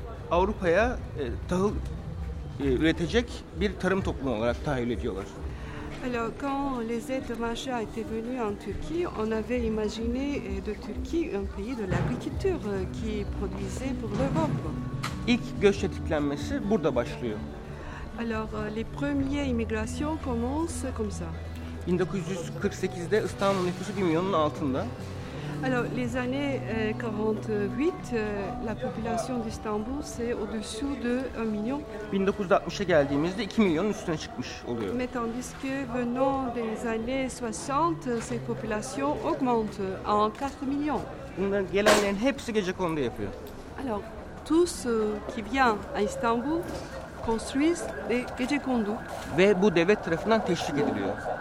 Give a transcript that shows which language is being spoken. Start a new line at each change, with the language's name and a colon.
Turkish: Avrupa'ya tahıl üretecek bir tarım toplumu olarak tahayyül ediyorlar.
French: Alors, quand les êtres marchands étaient venus en Turquie, on avait imaginé de Turquie un pays de l'agriculture qui produisait pour l'Europe.
Turkish: İlk göç tetiklenmesi burada başlıyor.
French: Alors, les premières immigrations commencent comme ça.
Turkish: 1948'de İstanbul nüfusu 1 milyonun altında.
French: Alors, les années 48, la population d'Istanbul c'est au-dessous de 1 million.
Turkish: 1960'a geldiğimizde 2 milyonun üstüne çıkmış oluyor.
French: Mais tandis que venant des années 60, cette population augmente en 4 millions.
Turkish: Bunların gelenlerin hepsi gecekondu yapıyor.
French: Alors, tous qui vient à Istanbul construisent des gecekondu.
Turkish: Ve bu devlet tarafından teşvik ediliyor.